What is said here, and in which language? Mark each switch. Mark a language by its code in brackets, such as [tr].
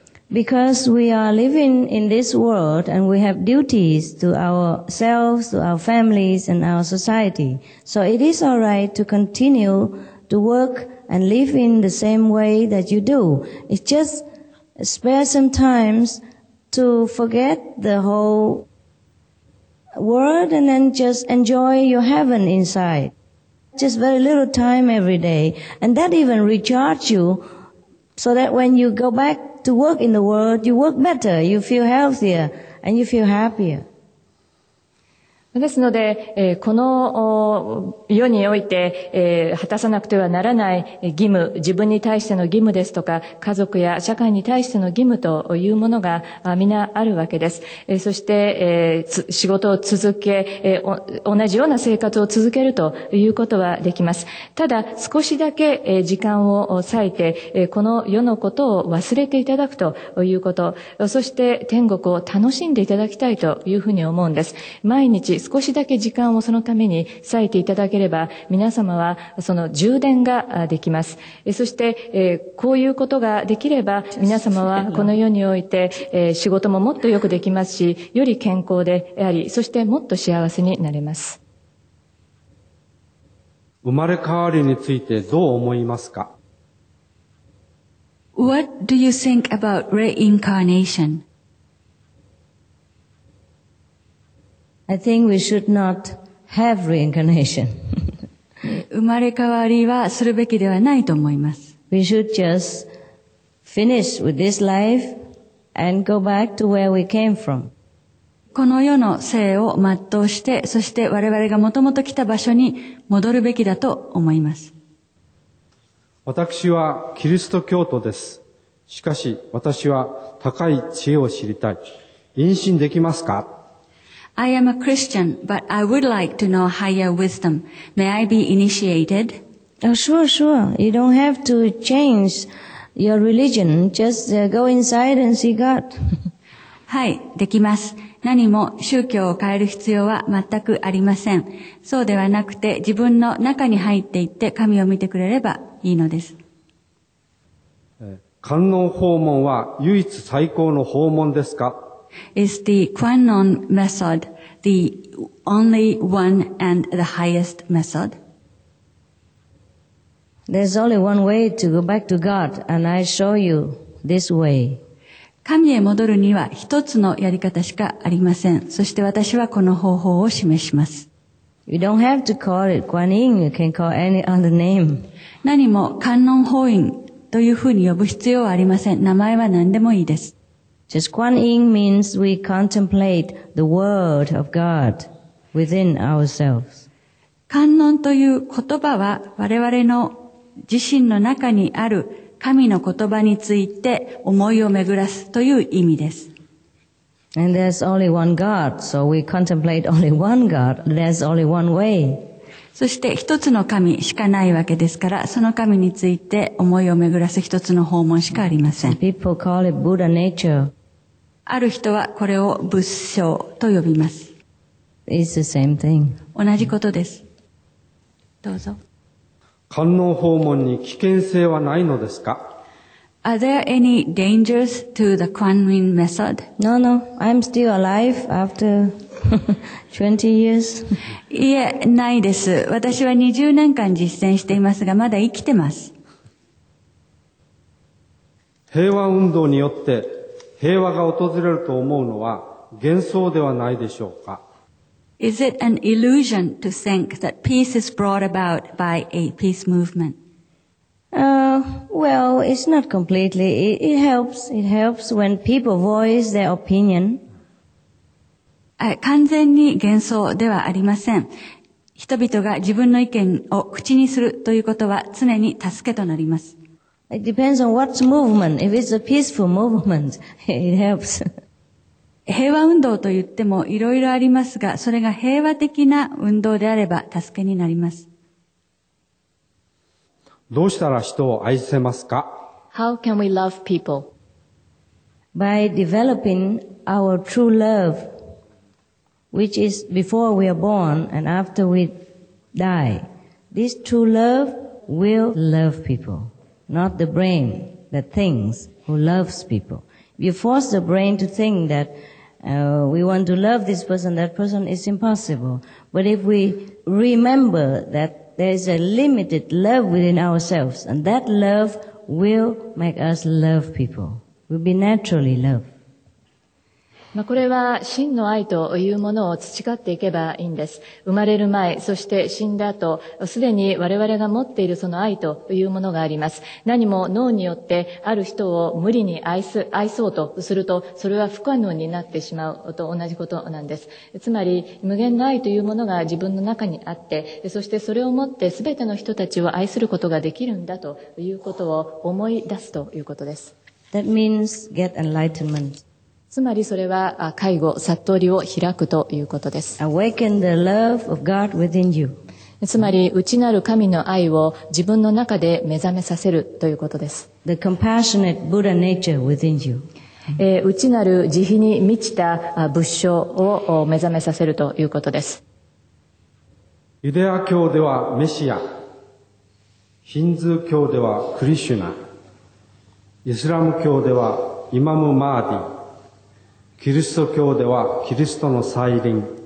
[en] Because we are living in this world and we have duties to ourselves, to our families and our society. So it is all right to continue to workAnd live in the same way that you do. It's just spare some time to forget the whole world and then just enjoy your heaven inside. Just very little time every day. And that even recharge you so that when you go back to work in the world, you work better, you feel healthier, and you feel happier. [ja] ですので、この世において、果たさなくてはならない義務、自分に対しての義務ですとか、家族や社会に対しての義務というものが皆あるわけです。そして、仕事を続け、同じような生活を続けるということはできます。ただ、少しだけ時間を割いて、この世のことを忘れていただくということ、そして天国を楽しんでいただきたいというふうに思うんです。毎日少しだけ時間をそのために割いていただければ、皆様はその充電ができます。そして、こういうことができれば、皆様はこの世において、仕事ももっとよくできますし、より健康であり、そしてもっと幸せになれます。生まれ変わりについてどう思いますか？ [en] What do you think about reincarnation? I think we should not have reincarnation. [ja] 生まれ変わりはするべきではないと思います。 [en] We should just finish with this life and go back to where we came from. [ja] この世の生を全うして、そして我々がもともと来た場所に戻るべきだと思います。私はキリスト教徒です。しかし私は高い知恵を知りたい。妊娠できますか？ [en] I am a Christian, but I would like to know higher wisdom. May I be initiated? Oh, sure, sure. You don't have to change your religion. Just go inside and see God. [ja] はい、できます。何も宗教を変える必要は全くありません。そうではなくて、自分の中に入っていって神を見てくれればいいのです。観音訪問は唯一最高の訪問ですか？ [en] Is the Kwannon method the only one and the highest method? There's only one way to go back to God, and I show you this way. [ja] 神へ戻るには一つのやり方しかありません。そして私はこの方法を示します。 [en] You don't have to call it Kwannon, you can call any other name. [ja] 何も観音法印というふうに呼ぶ必要はありません。名前は何でもいいです。 [en] Just Kuan Yin means we contemplate the word of God within ourselves. [ja] 観音という言葉は我々の自身の中にある神の言葉について思いを巡らすという意味です。 [en] And there's only one God, so we contemplate only one God. There's only one way. [ja] そして一つの神しかないわけですから、その神について思いを巡らす一つの訪問しかありません。 [en] People call it Buddha nature. [ja] ある人はこれを仏性と呼びます。 [en] It's the same thing. [ja] 同じことです。どうぞ。官能訪問に危険性はないのですか？ [en] Are there any dangers to the Kuan Yin method? No, no. I'm still alive after 20 years. [ja] いえ、ないです。私は20年間実践していますが、まだ生きてます。平和運動によって平和が訪れると思うのは幻想ではないでしょうか？ [en] Is it an illusion to think that peace is brought about by a peace movement? Well, it's not completely. It helps. It helps when people voice their opinion. [ja] 完全に幻想ではありません。人々が自分の意見を口にするということは常に助けとなります。 [en] It depends on what movement. If it's a peaceful movement, it helps. [ja] 平和運動と言ってもいろいろありますが、それが平和的な運動であれば助けになります。どうしたら人を愛せますか？ [en] How can we love people? By developing our true love, which is before we are born and after we die. This true love will love people. Not the brain that thinks who loves people. You force the brain to think that we want to love this person, that person is impossible. But if we remember that there is a limited love within ourselves, and that love will make us love people. We'll be naturally loved. [ja] まあ、これは真の愛というものを培っていけばいいんです。生まれる前、そして死んだ後、すでに我々が持っているその愛というものがあります。何も脳によってある人を無理に愛そうとすると、それは不可能になってしまうと同じことなんです。つまり、無限の愛というものが自分の中にあって、そしてそれを持って全ての人たちを愛することができるんだということを思い出すということです。 [en] That means get enlightenment. [ja] つまりそれは介護、悟りを開くということです。 [en] Awaken the love of God within you. [ja] つまり内なる神の愛を自分の中で目覚めさせるということです。 [en] The compassionate Buddha nature within you. [ja] 内なる慈悲に満ちた仏性を目覚めさせるということです。ユダヤ教ではメシア、ヒンズー教ではクリシュナ、イスラム教ではイマム・マーディ、キリスト教ではキリストの再臨、